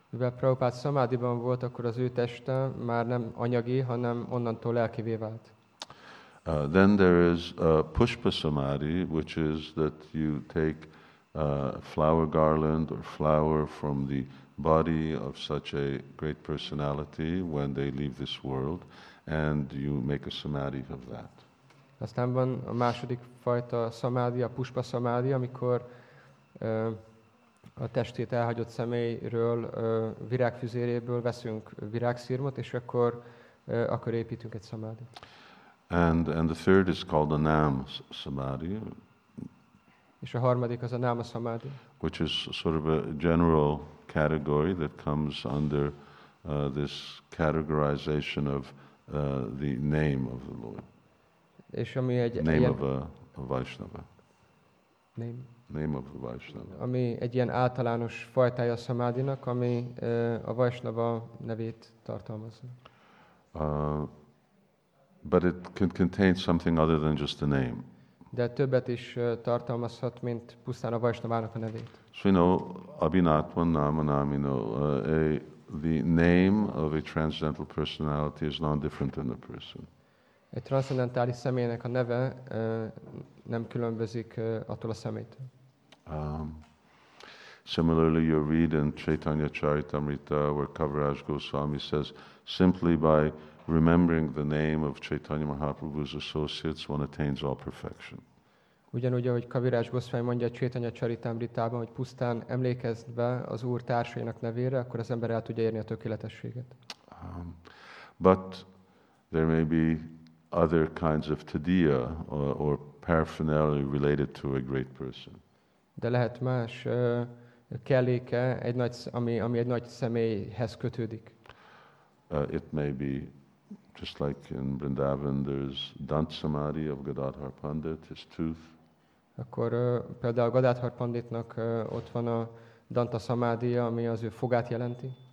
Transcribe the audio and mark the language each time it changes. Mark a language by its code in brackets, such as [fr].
[hu] Mivel Prabhupád szamádiban volt, akkor az ő teste már nem anyagi, hanem onnantól lelkivé vált. [en] Then there is a pushpa samadhi, which is that you take a flower garland or flower from the body of such a great personality when they leave this world, and you make a samadhi of that. [hu] Aztán van a második fajta samadhi, a pushpa samadhi, amikor a testét elhagyott személyről virágfüzéréből veszünk virágszirmot, és akkor akkor építünk egy samadhit. [en] And the third is called a nam samadhi. [hu] És a harmadik az a nama samadhi. [en] Which is sort of a general category that comes under this categorization of the name of the Lord. [hu] És ami egy [en] name [hu] ilyen... [en] of a Vaishnava. Name. Name of the Vaishnava. [hu] Ami egy ilyen általános fajtája a szamádinak, ami a Vaishnava nevét tartalmazza. [en] But it can contain something other than just a name. [hu] De többet is tartalmazhat, mint pusztán a Vaishnavának a nevét. [en] So you know, [sa] abhinatva nama namino, [en] the name of a transcendental personality is not different than the person. [hu] Egy transzcendentális személynek a neve nem különbözik attól a személytől. [en] Similarly, you read in Chaitanya Charitamrita where Kaviraj Goswami says, simply by remembering the name of Chaitanya Mahaprabhu's associates, one attains all perfection. [hu] Ugyanúgy, ahogy Kaviraj Goswami mondja Chaitanya Charitamritában, hogy pusztán emlékezve az Úr társainak nevére, akkor az ember el tudja érni a tökéletességet. [en] But there may be other kinds of tadiya or paraphernalia related to a great person. [hu] De lehet más kelléke, egy nagy, ami egy nagy személyhez kötődik. [en] It may be, just like in Vrindavan, there's Dant Samadhi of Gadadhar Pandit, his tooth. [hu] Akkor például Gadadhar Panditnak ott van a Danta Samadhi, ami az ő fogát jelenti.